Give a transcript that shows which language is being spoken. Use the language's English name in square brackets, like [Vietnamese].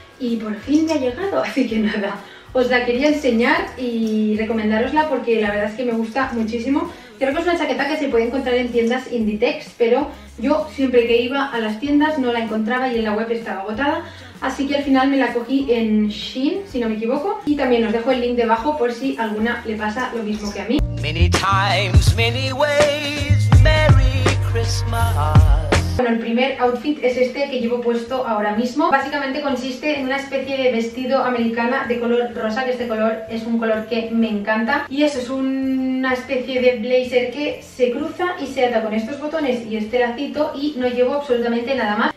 [Spanish] Y por fin me ha llegado, así que nada, os la quería enseñar y recomendarosla porque la verdad es que me gusta muchísimo. Creo que es una chaqueta que se puede encontrar en tiendas Inditex, pero yo siempre que iba a las tiendas no la encontraba y en la web estaba agotada. Así que al final me la cogí en Shein, si no me equivoco. Y también os dejo el link debajo por si alguna le pasa lo mismo que a mí. [English] Many times, many ways, Merry Christmas. [Spanish] Bueno, el primer outfit es este que llevo puesto ahora mismo. Básicamente consiste en una especie de vestido americana de color rosa, que este color es un color que me encanta. Y eso es una especie de blazer que se cruza y se ata con estos botones y este lacito, y no llevo absolutamente nada más.